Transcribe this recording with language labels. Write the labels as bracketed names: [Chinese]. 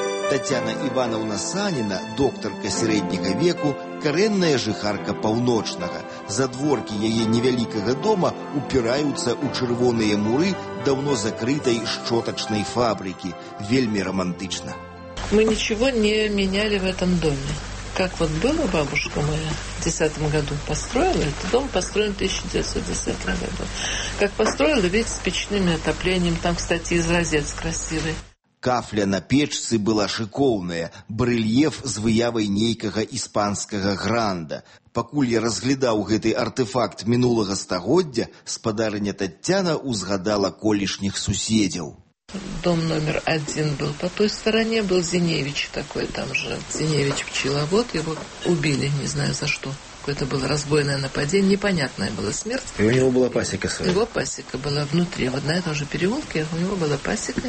[Belarusian] Татьяна Івановна Саніна, доктарка сярэдняга веку, карэнная жыхарка паўночнага. Задворкі яе невялікага дома упіраюцца ў чырвоныя муры даўно закрытай шчотачнай фабрыкі. Вельмі рамантычна. Мы нічого не мянялі ў гэтым доме. [Russian] Как вот было, бабушка моя в 10-м году построила, этот дом построен в 1910 году. Как построила, ведь с печным отоплением, там, кстати, из розет красивый. [Belarusian] Кафля на печцы была шыкоўная, брэльеф з выявай нейкага іспанскага гранда. Пакуль я разглядаў гэты артэфакт мінулага стагоддзя, спадарыня Татьяна узгадала колішніх суседзяў. [Russian] Дом номер адзін был па той стороне, был Зіневіч такой там же. Зіневіч пчеловод, его убили, не знаю за что. Это было разбойное нападение, непонятная была смерть. И у него была пасека своя. Его пасека была внутри, вот на этом же переулке у него была пасека.